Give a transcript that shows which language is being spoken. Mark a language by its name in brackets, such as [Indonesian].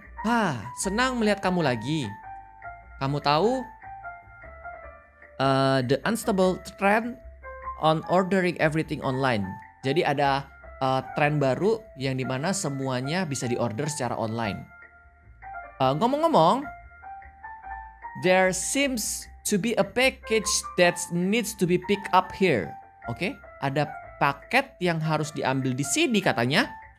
[Indonesian] Hah, senang melihat kamu lagi. Kamu tahu? [English] The unstable trend on ordering everything online. [Indonesian] Jadi ada tren baru yang dimana semuanya bisa diorder secara online. Ngomong-ngomong, [English] there seems to be a package that needs to be picked up here. [Indonesian] Oke, ada paket yang harus diambil di sini katanya.